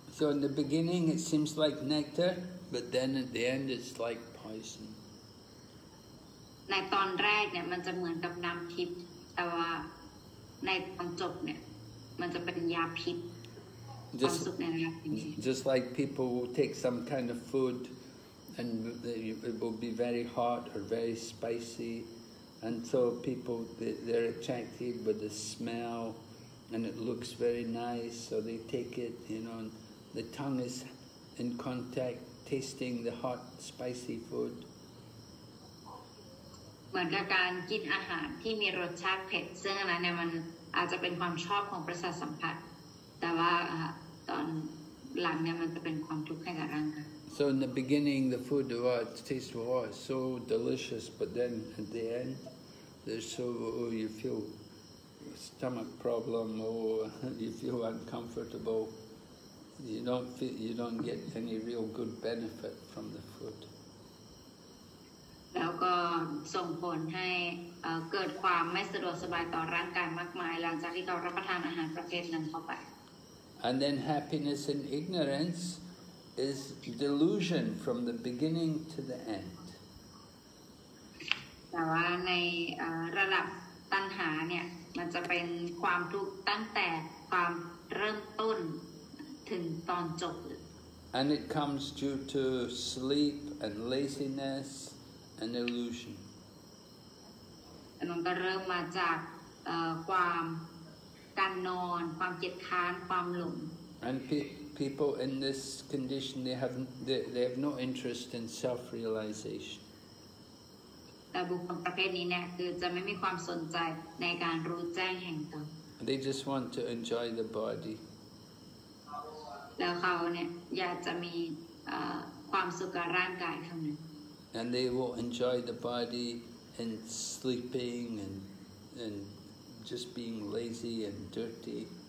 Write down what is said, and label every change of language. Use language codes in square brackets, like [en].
[en] So in the beginning it seems like nectar, but then at the end it's like poison. [th] ในตอนแรกเนี่ยมันจะเหมือนกับน้ำทิพย์แต่ว่าในตอนจบเนี่ยมันจะเป็นยาพิษความสุขในยาพิษ [en] Just like people will take some kind of food and it will be very hot or very spicy and so people they're attracted with the smell and it looks very nice so they take it you know the tongue is in contact tasting the hot spicy food [th] เหมือนกับการกินอาหารที่มีรสชาติเผ็ดซึ่งอันนั้นเนี่ยมันอาจจะเป็นความชอบของประสาทสัมผัสแต่ว่าตอนหลังเนี่ยมันจะเป็นความทุกข์ให้กับร่างกาย [en] So in the beginning the food was taste was so delicious but then at the end there's so you feel stomach problem or you feel uncomfortable you don't get any real good benefit from the food [th] แล้วก็ส่งผลให้เกิดความไม่สะดวกสบายต่อร่างกายมากมายหลังจากที่เรารับประทานอาหารประเภทนั้นเข้าไป [en] And then happiness in ignorance is delusion from the beginning to the end [th] แต่ว่าในระดับตัณหาเนี่ยมันจะเป็นความทุกข์ตั้งแต่ความเริ่มต้นถึงตอนจบ [en] And it comes due to sleep and laziness and illusion [th] อันนั้นก็เริ่มมาจากความการนอนความเกียจค้านความหลง [en] And people in this condition they have no interest in self realization [th] แต่บุคคลประเภทนี้เนี่ยคือจะไม่มีความสนใจในการรู้แจ้งแห่งตน [en] They just want to enjoy the body [th] แล้วเขาเนี่ยอยากจะมีความสุขกับร่างกายเท่านั้น [en] And they will enjoy the bodyAnd sleeping and just being lazy and dirty.